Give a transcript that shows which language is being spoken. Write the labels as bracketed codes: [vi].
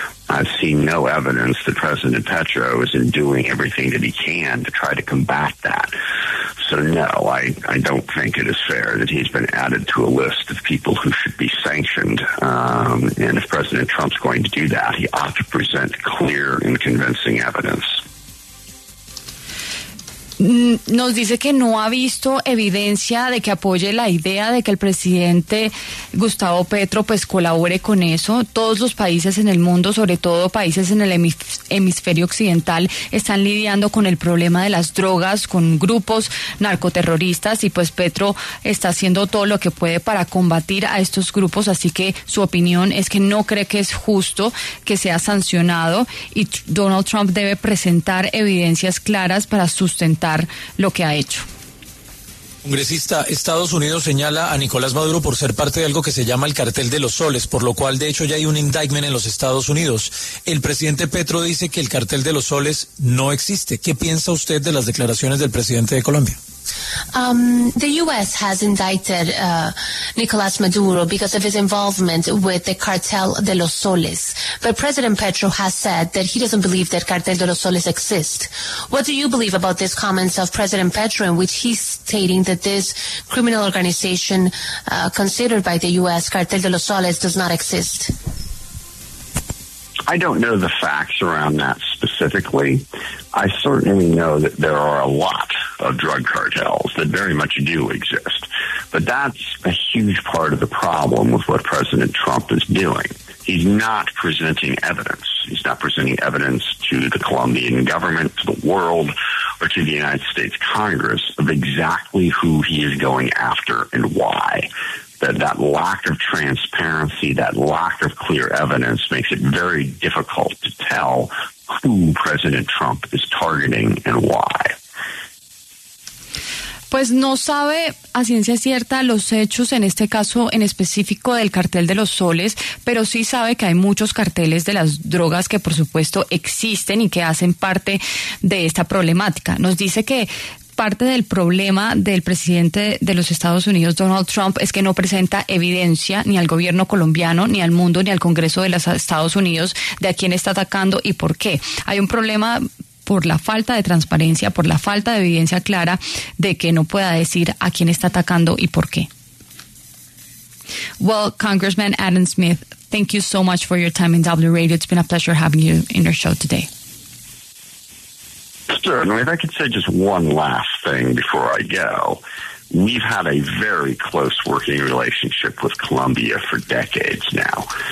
[en] I've seen no evidence that President Petro is in doing everything that he can to try to combat that. So, no, I don't think it is fair that he's been added to a list of people who should be sanctioned. And if President Trump's going to do that, he ought to present clear and convincing evidence. [es] Nos dice que no ha visto evidencia de que apoye la idea de que el presidente Gustavo Petro pues colabore con eso. Todos los países en el mundo, sobre todo países en el hemisferio occidental, están lidiando con el problema de las drogas, con grupos narcoterroristas, y pues Petro está haciendo todo lo que puede para combatir a estos grupos, así que su opinión es que no cree que es justo que sea sancionado, y Donald Trump debe presentar evidencias claras para sustentar lo que ha hecho. Congresista, Estados Unidos señala a Nicolás Maduro por ser parte de algo que se llama el Cartel de los Soles, por lo cual de hecho ya hay un indictment en los Estados Unidos. El presidente Petro dice que el Cartel de los Soles no existe. ¿Qué piensa usted de las declaraciones del presidente de Colombia? [en] The U.S. has indicted Nicolás Maduro because of his involvement with the Cartel de los Soles. But President Petro has said that he doesn't believe that Cartel de los Soles exists. What do you believe about these comments of President Petro, in which he's stating that this criminal organization considered by the U.S. Cartel de los Soles does not exist? I don't know the facts around that specifically. I certainly know that there are a lot of drug cartels that very much do exist. But that's a huge part of the problem with what President Trump is doing. He's not presenting evidence. He's not presenting evidence to the Colombian government, to the world, or to the United States Congress of exactly who he is going after and why. That lack of transparency, that lack of clear evidence makes it very difficult to tell who President Trump is targeting and why. [es] Pues no sabe a ciencia cierta los hechos en este caso en específico del Cartel de los Soles, pero sí sabe que hay muchos carteles de las drogas que por supuesto existen y que hacen parte de esta problemática. Nos dice que parte del problema del presidente de los Estados Unidos, Donald Trump, es que no presenta evidencia ni al gobierno colombiano, ni al mundo, ni al Congreso de los Estados Unidos de a quién está atacando y por qué. Hay un problema por la falta de transparencia, por la falta de evidencia clara de que no pueda decir a quién está atacando y por qué. [en] Well, Congressman Adam Smith, thank you so much for your time in W Radio. It's been a pleasure having you in our show today. Certainly. If I could say just one last thing before I go. We've had a very close working relationship with Colombia for decades now.